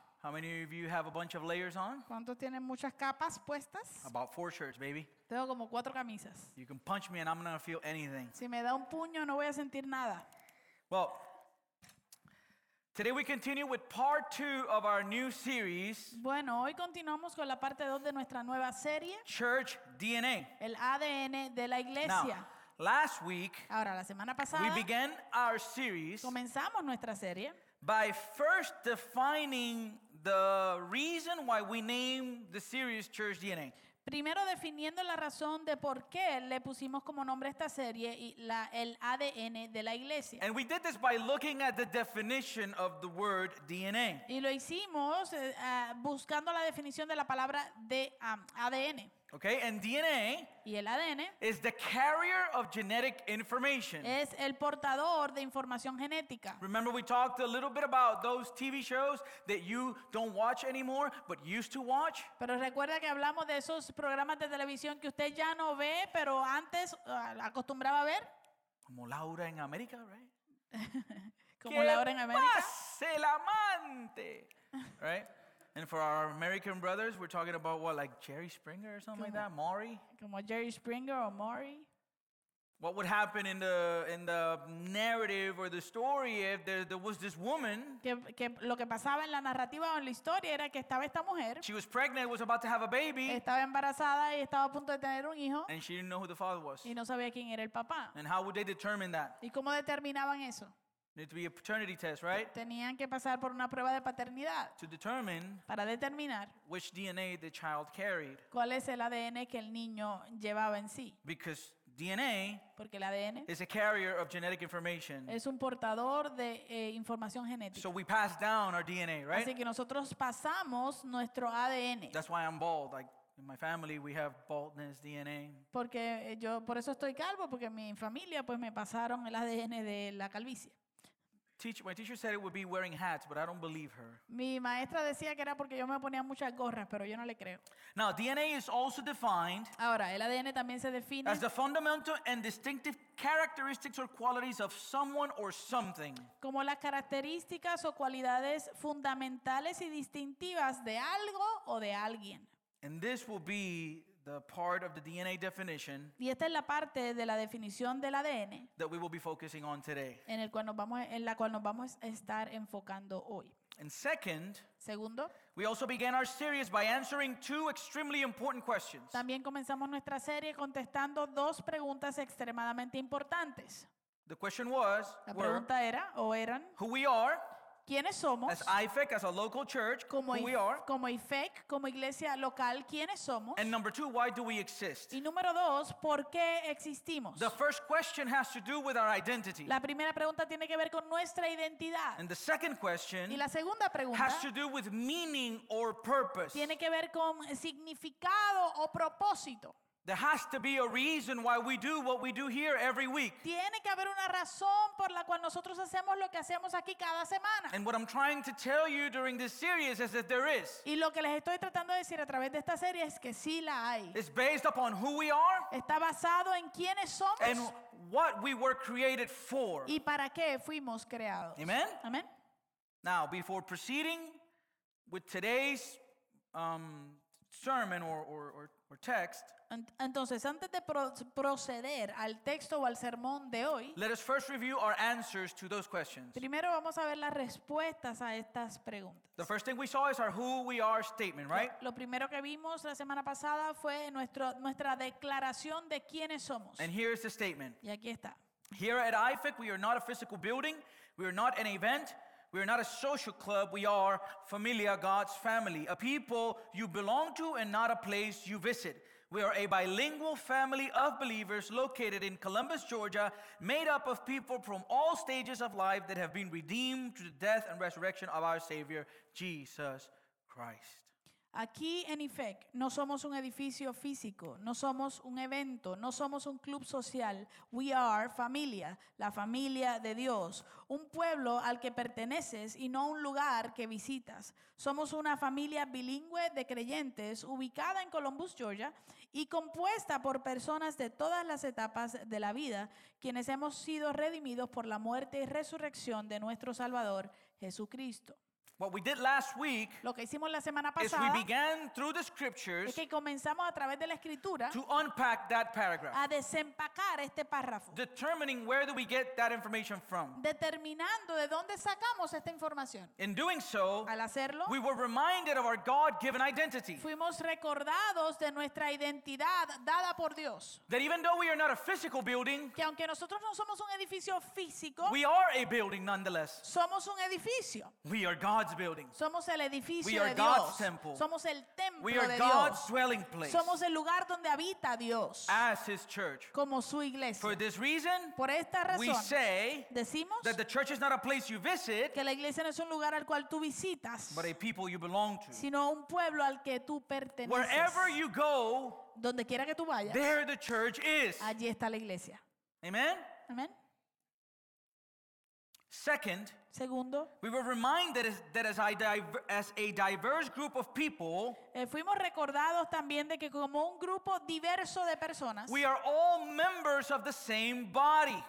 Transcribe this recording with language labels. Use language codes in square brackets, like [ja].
[en] How many of you have a bunch of layers on? [es] ¿Cuántos tienen muchas capas puestas? [en] About four shirts, baby. [es] Tengo como cuatro camisas. [en] You can punch me and I'm not gonna feel anything. [es] Si me da un puño, no voy a sentir nada. [en] Well, today we continue with part two of our new series. [es] Bueno, hoy continuamos con la parte dos de nuestra nueva serie. [en] Church DNA. [es] El ADN de la iglesia. [en] Now, last week, [es] ahora, la semana pasada, [en] we began our series. [es] Comenzamos nuestra serie. [en] By first defining the reason why we name the series Church DNA. [es] Primero definiendo la razón de por qué le pusimos como nombre esta serie el ADN de la iglesia. [en] And we did this by looking at the definition of the word DNA. [es] Y lo hicimos buscando la definición de la palabra de ADN. [en] Okay, and DNA, [es] y el ADN, [en] is the carrier of genetic information. [es] Es el portador de información genética. [en] Remember we talked a little bit about those TV shows that you don't watch anymore but used to watch? [es] Pero recuerda que hablamos de esos programas de televisión que usted ya no ve pero antes acostumbraba a ver. Como Laura en América, [en] right? [es] Como Laura en América. ¡Pase el amante! [en] Right? And for our American brothers, we're talking about what, like Jerry Springer or something like that? Maury? [es] Como Jerry Springer or Maury? [en] What would happen in the narrative or the story if there was this woman? [es] Que lo que pasaba en la narrativa o en la historia era que estaba esta mujer. [en] She was pregnant, was about to have a baby. [es] Estaba embarazada y estaba a punto de tener un hijo. [en] And she didn't know who the father was. [es] Y no sabía quién era el papá. [en] And how would they determine that? [es] ¿Y cómo determinaban eso? [en] Need to be a paternity test, right? [es] Tenían que pasar por una prueba de paternidad. [en] To determine [es] para determinar [en] which DNA the child carried. [es] ¿Cuál es el ADN que el niño llevaba en sí? [en] Because DNA, [es] porque el ADN [en] is a carrier of genetic information. [es] Es un portador de información genética. [en] So we pass down our DNA, right? [es] Así que nosotros pasamos nuestro ADN. [en] That's why I'm bald. Like in my family we have baldness DNA. [es] Porque yo por eso estoy calvo porque mi familia pues me pasaron el ADN de la calvicie. [en] My teacher said it would be wearing hats, but I don't believe her. [es] Mi maestra decía que era porque yo me ponía muchas gorras, pero yo no le creo. [en] Now, DNA is also defined. [es] Ahora, el ADN también se define [en] as the fundamental and distinctive characteristics or qualities of someone or something. [es] Como las características o cualidades fundamentales y distintivas de algo o de alguien. [en] And this will be the part of the DNA definition. [es] Y esta es la parte de la definición del ADN. [en] That we will be focusing on today. [es] En la cual nos vamos a estar enfocando hoy. [en] And second, [es] segundo, [en] we also began our series by answering two extremely important questions. [es] También comenzamos nuestra serie contestando dos preguntas extremadamente importantes. [en] The question was, [es] la pregunta era o eran, [en] who we are. [es] ¿Quiénes somos? [en] As IFEC, as a local church, [es] como [en] who we are. [es] Como IFEC, como iglesia local, ¿quiénes somos? [en] And number two, why do we exist? [es] Y número dos, ¿por qué existimos? [en] The first question has to do with our identity. [es] La primera pregunta tiene que ver con nuestra identidad. [en] And the second question, [es] y la segunda pregunta, [en] has to do with meaning or purpose. [es] Tiene que ver con significado o propósito. [en] There has to be a reason why we do what we do here every week. [es] Tiene que haber una razón por la cual nosotros hacemos lo que hacemos aquí cada semana. [en] And what I'm trying to tell you during this series is that there is. [es] Y lo que les estoy tratando de decir a través de esta serie es que sí la hay. [en] It's based upon who we are. [es] Está basado en quiénes somos. [en] And what we were created for. [es] Y para qué fuimos creados. [en] Amen. [es] Amen. [en] Now, before proceeding with today's sermon or text. [es] Entonces, antes de proceder al texto o al sermón de hoy, [en] let us first review our answers to those questions. [es] Primero vamos a ver las respuestas a estas preguntas. [en] The first thing we saw is our who we are statement, right? [es] Lo primero que vimos la semana pasada fue nuestra declaración de quiénes somos. [en] And here is the statement. [es] Y aquí está. [en] Here at IFIC, we are not a physical building, we are not an event, we are not a social club, we are familia, God's family, a people you belong to and not a place you visit. We are a bilingual family of believers located in Columbus, Georgia, made up of people from all stages of life that have been redeemed through the death and resurrection of our Savior, Jesus Christ. [es] Aquí, en IFEC, no somos un edificio físico, no somos un evento, no somos un club social. [en] We are [es] familia, la familia de Dios, un pueblo al que perteneces y no un lugar que visitas. Somos una familia bilingüe de creyentes ubicada en Columbus, Georgia, y compuesta por personas de todas las etapas de la vida, quienes hemos sido redimidos por la muerte y resurrección de nuestro Salvador, Jesucristo. [en] What we did last week, [es] lo que hicimos la semana pasada, [en] is we began through the scriptures, [es] es que comenzamos a través de la escritura, [en] to unpack that paragraph, [es] a desempacar este párrafo, [en] determining where do we get that information from, [es] determinando de dónde sacamos esta información. [en] In doing so, [es] al hacerlo, [en] we were reminded of our God-given identity, [es] fuimos recordados de nuestra identidad dada por Dios, [en] that even though we are not a physical building, [es] que aunque nosotros no somos un edificio físico, [en] we are a building nonetheless, [es] somos un edificio, [en] we are God. God's building. [es] Somos el edificio de Dios. [en] We are God's temple. [es] Somos el templo de Dios. [en] We are God's dwelling place. [es] Somos el lugar donde habita Dios. [en] As his church. [es] Como su iglesia. [en] For this reason, [es] por esta razón, [en] we say, [es] decimos, [en] that the church is not a place you visit, [es] que la iglesia no es un lugar al cual tú visitas, [en] but a people you belong to, [es] sino un pueblo al que tú perteneces. [en] Wherever you go, [es] donde quiera que tú vayas, [en] there the church is. [es] Allí está la iglesia. [en] Amen. [es] Amen. [en] Second, [es] segundo, [en] we were reminded as a diverse group of people, [es] fuimos recordados también de que como un grupo diverso de personas, [en] we are all members of the same body.